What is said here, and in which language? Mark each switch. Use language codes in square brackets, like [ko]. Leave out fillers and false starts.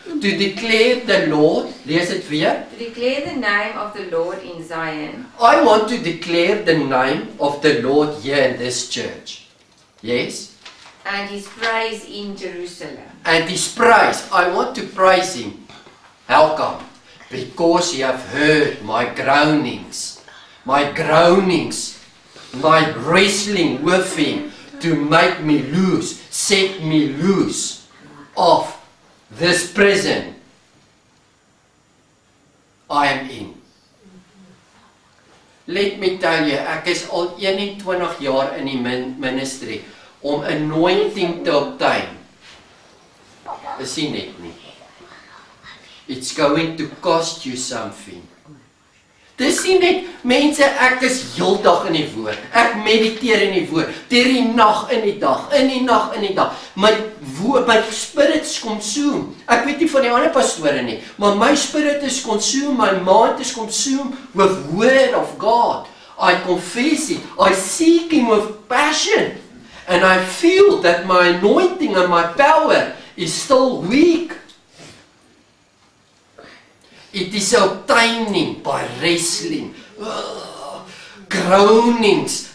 [en] To declare the Lord, [af] lees het weer. [en] To declare the name of the Lord in Zion. I want to declare the name of the Lord here in this church. Yes? And his praise in Jerusalem. And his praise. I want to praise him. How come? Because you have heard my groanings. My groanings. My wrestling with him. To make me loose, set me loose of this prison I am in. Let me tell you, [af] ek is al 21 jaar in die ministry om anointing te obtain. Is nie net nie. [en] It's going to cost you something. [af] Dis nie net, mense, ek is heel dag in die woord. Ek mediteer in die woord. Deur die nag in die dag. In die nag in die dag. [en] My spirit is consumed. [af] Ek weet nie van die ander pastore nie. Maar my [en] spirit is consumed. My mind is consumed with word of God. I confess it. I seek him with passion. And I feel that my anointing and my power is still weak. It is obtaining by wrestling. Groanings.